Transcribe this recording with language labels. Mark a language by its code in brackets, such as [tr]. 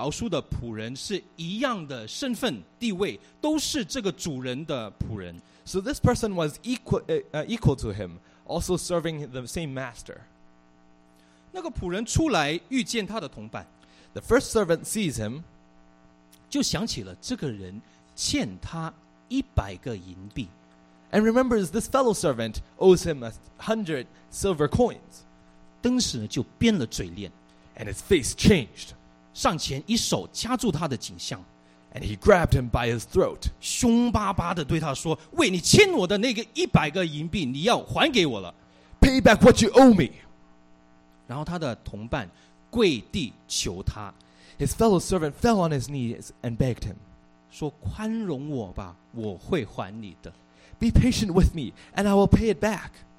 [zh] 就是说他与这个被饶恕的仆人是一样的身份地位, 都是这个主人的仆人。 [en] So this person was equal to him, also serving the same master. [zh] 那个仆人出来遇见他的同伴, [en] the first servant sees him, [zh] 就想起了这个人欠他100个银币, [en] and remembers this fellow servant owes him 100 silver coins. [zh] 登时就变了嘴脸, [en] and his face changed. [zh] 上前一手掐住他的颈项, [en] and he grabbed him by his throat, [zh] 凶巴巴地对他说, 为你欠我的那个100个银币, 你要还给我了, [en] pay back what you owe me. [zh] 然后他的同伴跪地求他, [en] his fellow servant fell on his knees and begged him, [zh] 说宽容我吧, 我会还你的, [en] be patient with me and I will pay it back.